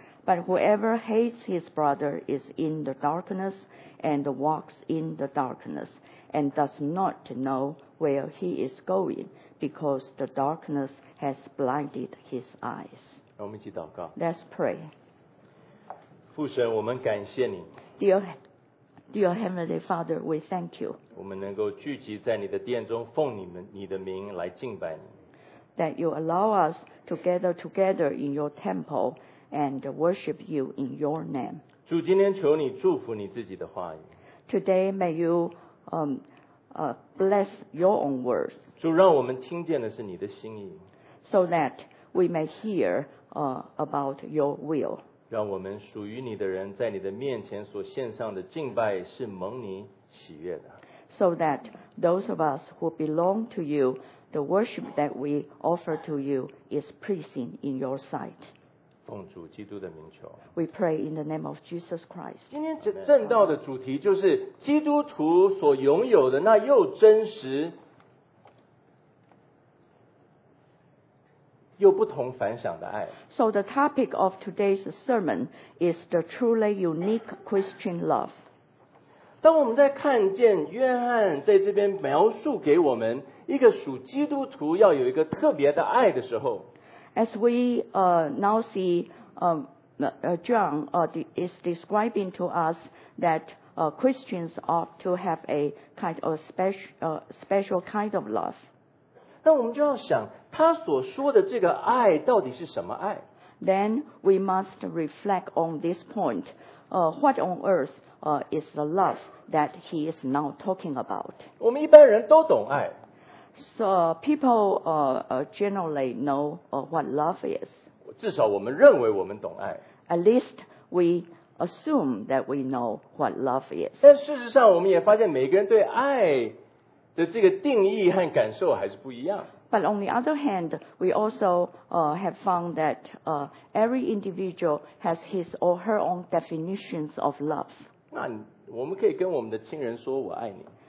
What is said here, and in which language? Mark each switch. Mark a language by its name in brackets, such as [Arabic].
[English] But whoever hates his brother is in the darkness and walks in the darkness and does not know where he is going because the darkness has blinded his eyes. [Chinese] 我们一起祷告。 [English] Let's pray. [Chinese] 父神，我们感谢你。 [English] Dear Heavenly Father, we thank you. [Chinese] 我们能够聚集在你的殿中，奉你的名来敬拜你。 [English] That you allow us to gather together in your temple. And worship you in your name. [Chinese] 主，今天求你祝福你自己的话语。 [English] Today, may you bless your own words. [Chinese] 主，让我们听见的是你的心意。 [English] So that we may hear about your will. [Chinese] 让我们属于你的人在你的面前所献上的敬拜是蒙你喜悦的。 [English] So that those of us who belong to you, the worship that we offer to you is pleasing in your sight. [Chinese] 奉主基督的名求。 [English] We pray in the name of Jesus Christ. [Chinese] 今天正道的主题就是基督徒所拥有的那又真实又不同凡响的爱。 [English] So the topic of today's sermon is the truly unique Christian love. [Chinese] 当我们在看见约翰在这边描述给我们一个属基督徒要有一个特别的爱的时候， [English] As we now see John is describing to us that Christians ought to have a kind of special kind of love. [Chinese] 那我们就要想他所说的这个爱到底是什么爱。 [English] Then we must reflect on this point. What on earth, is the love that he is now talking about? [Chinese] 我们一般人都懂爱。 [English] So people, generally know, what love is. [Chinese] 至少我们认为我们懂爱。 [English] At least we assume that we know what love is. [Chinese] 但事实上我们也发现每个人对爱的这个定义和感受还是不一样。 [English] But on the other hand, we also, have found that, every individual has his or her own definitions of love. [Chinese] 那我们可以跟我们的亲人说我爱你。